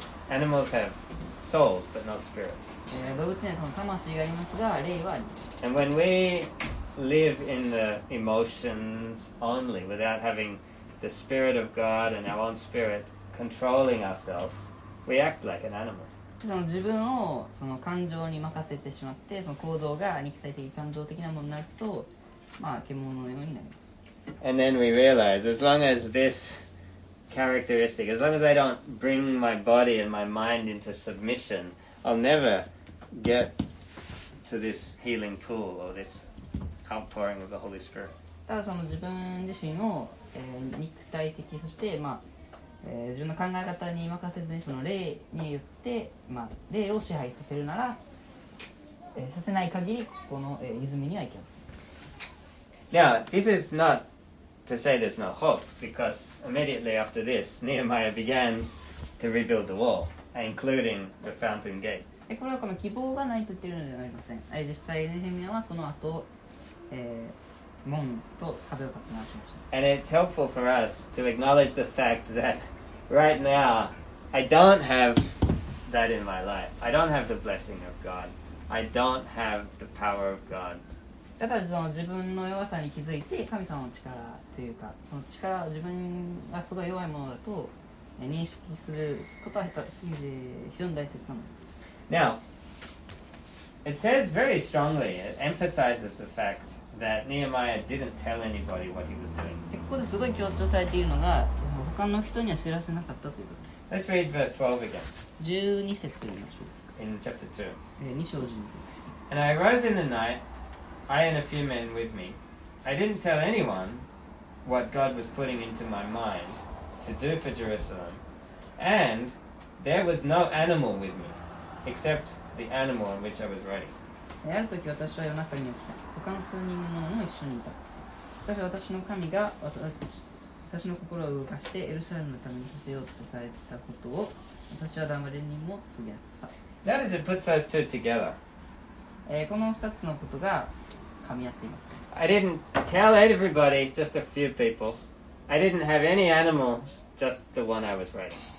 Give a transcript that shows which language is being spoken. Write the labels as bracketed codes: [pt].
[en] Animals have souls, but not spirits. [ja] 動物にはその魂がありますが、霊はあります。 [en] And when we live in the emotions only, without having the spirit of God and our own spirit controlling ourselves, we act like an animal. [ja] その自分をその感情に任せてしまって、その行動が肉体的感情的なものになると、まあ獣のようになります。 [en] And then we realize, as long as this characteristic, as long as I don't bring my body and my mind into submission, I'll never get to this healing pool or this outpouring of the Holy Spirit. [ja] ただその自分自身を、肉体的そして、まあ自分の考え方に任せずにその霊によって、まあ、霊を支配させるなら、させない限りこの、泉にはいけません。 [en] Now, this is notto say there's no hope, because immediately after this, Nehemiah began to rebuild the wall, including the fountain gate. [ja] これはこの希望がないと言っているのではありません。実際、ネヘミヤはこの後、門と壁を立て直しました。 [en] And it's helpful for us to acknowledge the fact that right now, I don't have that in my life. I don't have the blessing of God. I don't have the power of God. [ja] ただその自分の弱さに気づいて神様の力というかその力を自分がすごい弱いものだと認識することは非常に大切なのです。 [en] Now, it says very strongly, it emphasizes the fact that Nehemiah didn't tell anybody what he was doing. [ja] ここですごい強調されているのが他の人には知らせなかったということです。 [en] Let's read verse 12 again. [ja] 12節を読みましょう。 [en] In chapter 2. [ja] 2章12節。 [en] And I rose in the night. I and a few men with me. I didn't tell anyone what God was putting into my mind to do for Jerusalem, and there was no animal with me, except the animal on which I was riding. [ja] ある時私は夜中に起きた。他の数人の者も一緒にいた。しかし私の神が私の心を動かしてエルサレムのためにさせようとされたことを私は誰にも告げなかった。 [en] That is, it puts us two together. [ja] この二つのことが [en] I didn't tell everybody, just a few people. I didn't have any animal, just the one I was riding.